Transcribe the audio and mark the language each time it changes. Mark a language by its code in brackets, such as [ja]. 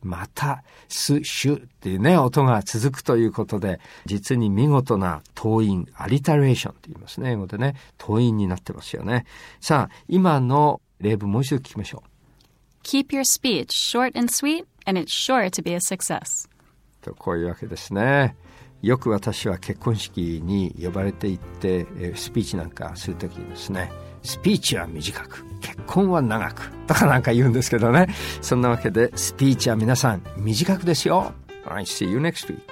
[ja] また、す、しゅ、っていうね、音が続くということで、実に見事な頭韻、アリタレーションと言いますね、英語でね、頭韻になってますよね。さあ、今の例文もう一度聞きましょう。 [en] Keep your speech short and sweet, and it's sure to be a success. [ja] と、こういうわけですね。よく私は結婚式に呼ばれていって、スピーチなんかするときにですね、スピーチは短く、結婚は長く、とかなんか言うんですけどね。そんなわけで、スピーチは皆さん短くですよ。 [en] I see you next week.